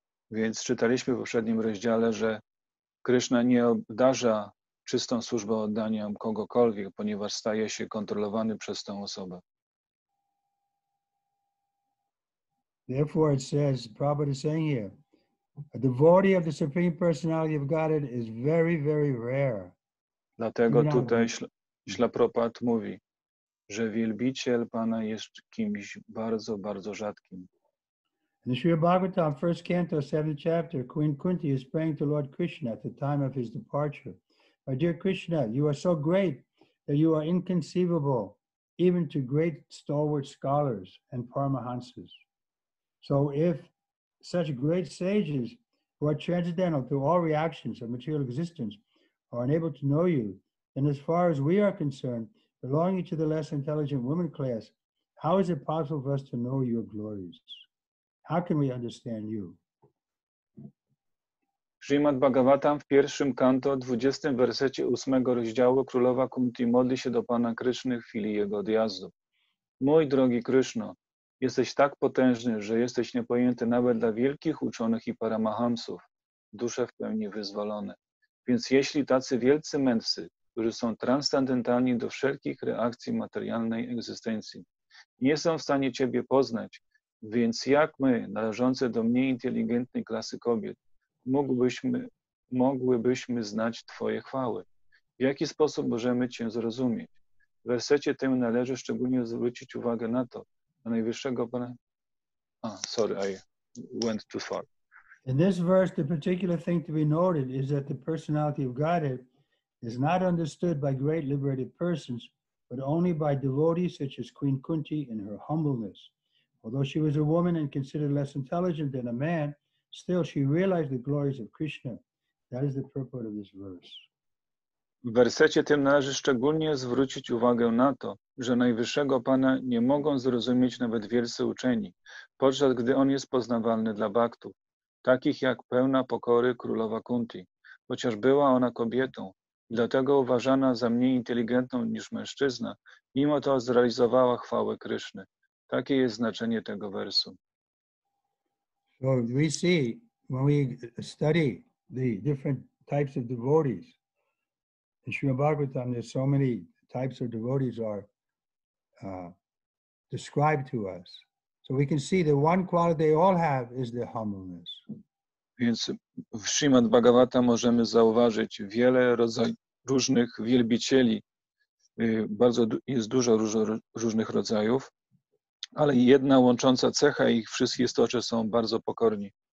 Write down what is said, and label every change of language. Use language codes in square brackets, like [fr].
[pl] Więc czytaliśmy w poprzednim rozdziale, że Krishna nie obdarza czystą służbą oddania kogokolwiek, ponieważ staje się kontrolowany przez tę osobę. [en] Therefore it says, Prabhupada is saying here, a devotee of the Supreme Personality of Godhead is very, very rare. [pl] Dlatego tutaj Śla Prabhupada mówi, że wielbiciel Pana jest kimś bardzo, bardzo rzadkim. [en] In the Śrīmad Bhāgavatam, first canto, seventh chapter, Queen Kunti is praying to Lord Krishna at the time of his departure. My dear Krishna, you are so great that you are inconceivable even to great stalwart scholars and paramahansas. So if such great sages who are transcendental to all reactions of material existence are unable to know you, then as far as we are concerned, belonging to the less intelligent woman class, how is it possible for us to know your glories? How can we understand you? [pl] Srimad Bhagavatam w pierwszym kanto, 20 wersecie 8 rozdziału, królowa Kunti modli się do Pana Kryszny w chwili jego odjazdu. Mój drogi Kryszno, jesteś tak potężny, że jesteś niepojęty nawet dla wielkich uczonych i paramahansów, dusze w pełni wyzwolone. Więc jeśli tacy wielcy mędrcy, którzy są transcendentalni do wszelkich reakcji materialnej egzystencji, nie są w stanie Ciebie poznać, więc jak my, należące do mniej inteligentnej klasy kobiet, moglibyśmy znać Twoje chwały? W jaki sposób możemy Cię zrozumieć? W wersecie tym należy szczególnie zwrócić uwagę na to, na najwyższego Pana... [en] I went too far. In this verse, the particular thing to be noted is that the personality of Godhead is not understood by great liberated persons, but only by devotees such as Queen Kunti in her humbleness. Although she was a woman and considered less intelligent than a man, still she realized the glories of Krishna. That is the purport of this verse. [pl] W wersecie tym należy szczególnie zwrócić uwagę na to, że najwyższego Pana nie mogą zrozumieć nawet wielcy uczeni, podczas gdy on jest poznawalny dla bhaktów, takich jak pełna pokory królowa Kunti, chociaż była ona kobietą, dlatego uważana za mniej inteligentną niż mężczyzna, mimo to zrealizowała chwałę Kryszny. Takie jest znaczenie tego wersu. [en] So we see when we study the different types of devotees in Srimad Bhagavatam, there's so many types of devotees are described to us. So we can see the one quality they all have is the humbleness. [pl] Więc w Srimad Bhagavatam możemy zauważyć wiele różnych wielbicieli. Jest dużo różnych rodzajów. Ale jedna łącząca cecha ich wszystkich jest to, że są bardzo pokorni.